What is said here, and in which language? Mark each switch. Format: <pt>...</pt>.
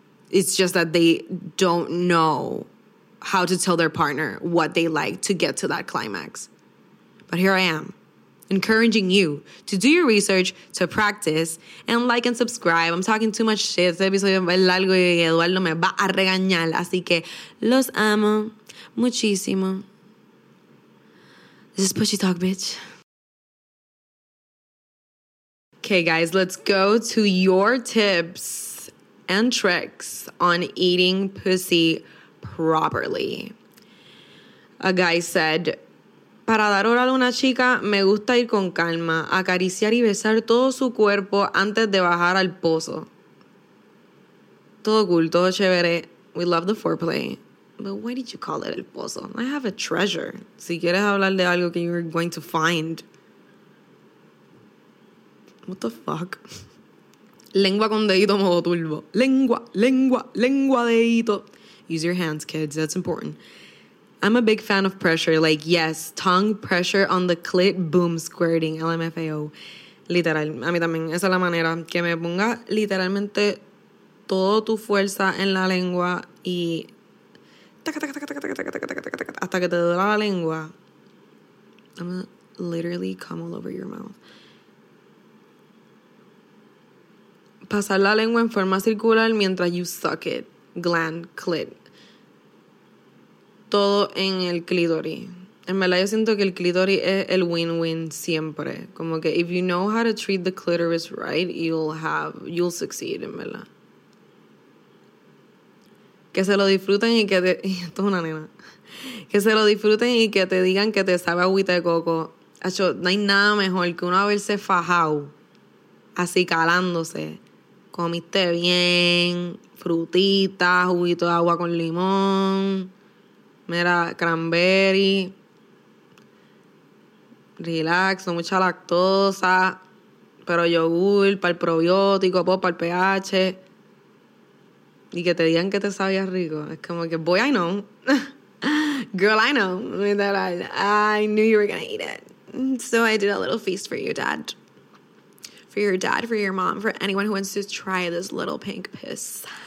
<en>It's just that they don't know how to tell their partner what they like to get to that climax. But here I am, encouraging you to do your research, to practice, and like and subscribe. I'm talking too much shit.</en> <es>Este episodio es largo y Eduardo me va a regañar. Así que los amo muchísimo.</es> <en>This is Pushy Talk, bitch. Okay, guys, let's go to your tips and tricks on eating pussy properly. A guy said,</en> <es>para dar oral a una chica, me gusta ir con calma, acariciar y besar todo su cuerpo antes de bajar al pozo. Todo cool, todo chévere.</es> <en>We love the foreplay. But why did you call it el pozo? I have a treasure.</en> <es>Si quieres hablar de algo que</es> <en>you're going to find. What the fuck?</en> <es>Lengua con dedito modo turbo. Lengua, lengua, lengua dedito.</es> <en>Use your hands, kids. That's important. I'm a big fan of pressure. Like, yes, tongue pressure on the clit, boom, squirting. LMFAO. Literal.</en> <es>A mí también. Esa es la manera. Que me ponga literalmente toda tu fuerza en la lengua y hasta que te duela la lengua.</es> <en>I'm going to literally come all over your mouth.</en> <es>Pasar la lengua en forma circular mientras</es> <en>you suck it.</en> <es>Gland, clit. Todo en el clítoris. En verdad yo siento que el clítoris es el win-win siempre. Como que</es> <en>if you know how to treat the clitoris right, you'll succeed,</en> <es>en verdad. Que se lo disfruten y que te... Esto es una nena. Que se lo disfruten y que te digan que te sabe agüita de coco. Acho, no hay nada mejor que uno haberse fajado. Así calándose. Comiste bien. Frutitas, juguito de agua con limón. Mira, cranberry, relax, no mucha lactosa, pero yogur para el probiótico, para el pH. Y que te digan que te sabías rico. Es como que,</es> <en>boy, I know. Girl, I know. Literal, I knew you were going to eat it. So I did a little feast for you, dad. For your dad, for your mom, for anyone who wants to try this little pink piss.</en>